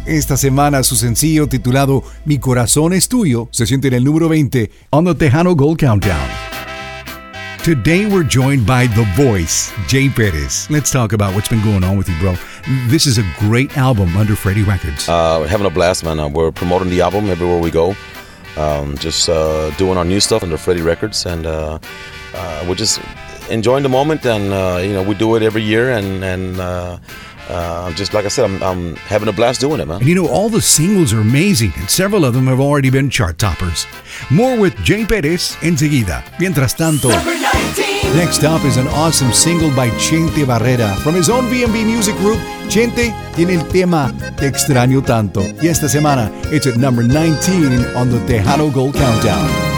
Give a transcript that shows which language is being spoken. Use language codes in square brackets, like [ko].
[es] Esta semana su sencillo titulado Mi corazón es tuyo se siente en el número 20 [en] on the Tejano Gold Countdown. Today we're joined by The Voice, Jay Perez. Let's talk about what's been going on with you, bro. This is a great album under Freddie Records. Having a blast, man. We're promoting the album everywhere we go. Doing our new stuff under Freddie Records. And we're just enjoying the moment. And we do it every year. And just like I said, I'm having a blast doing it, man. And you know, all the singles are amazing, and several of them have already been chart toppers. More with Jay Perez enseguida. [es] Mientras tanto, [en] next up is an awesome single by Chente Barrera from his own BMB Music Group. [es] Chente tiene el tema Te Extraño Tanto. Y esta semana, [en] it's at number 19 on the Tejano Gold Countdown.